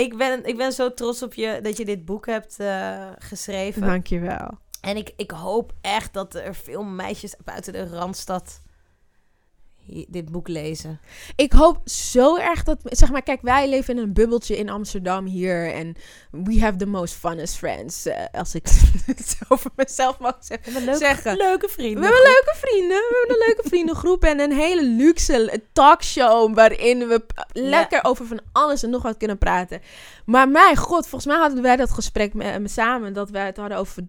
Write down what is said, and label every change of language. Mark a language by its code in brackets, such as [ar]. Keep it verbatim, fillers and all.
[nl] Ik ben, ik ben zo trots op je dat je dit boek hebt uh, geschreven. Dank je wel. En ik, ik hoop echt dat er veel meisjes buiten de Randstad dit boek lezen. Ik hoop zo erg dat... Zeg maar, kijk, wij leven in een bubbeltje in Amsterdam hier. [en] En we have the most funnest friends. [nl] Uh, als ik het over mezelf mag zeg- we leuke, zeggen. leuke vrienden. We hebben leuke vrienden. We hebben een leuke vriendengroep. En een hele luxe talkshow. Waarin we p- lekker ja. over van alles en nog wat kunnen praten. Maar mijn god, volgens mij hadden wij dat gesprek me- me samen. Dat wij het hadden over...